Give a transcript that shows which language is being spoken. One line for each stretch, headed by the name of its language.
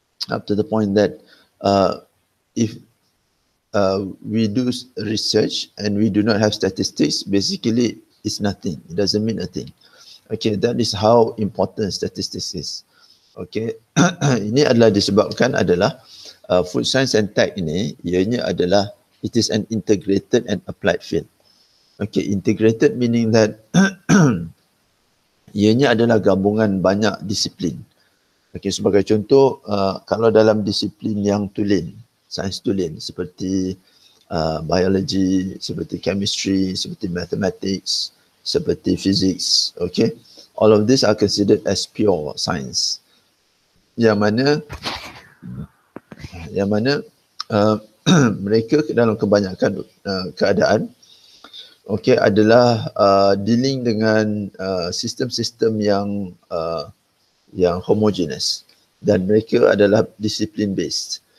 English: Up to the point that if we do research and we do not have statistics, basically it's nothing. It doesn't mean a thing. Okay, that is how important statistics is. Okay,
Malay: ini adalah disebabkan adalah
English: food science and tech ini, ianya adalah it is an integrated and applied field. Okay, integrated meaning that
Malay: ianya adalah gabungan banyak disiplin. Okay, sebagai contoh, kalau dalam disiplin yang tulen, sains tulen seperti
English: biology, seperti chemistry, seperti mathematics, seperti physics, okay? All of these are considered as pure science.
Malay: Yang mana mereka dalam kebanyakan keadaan, okay, adalah dealing dengan sistem-sistem yang yang homogeneous, dan mereka adalah discipline based.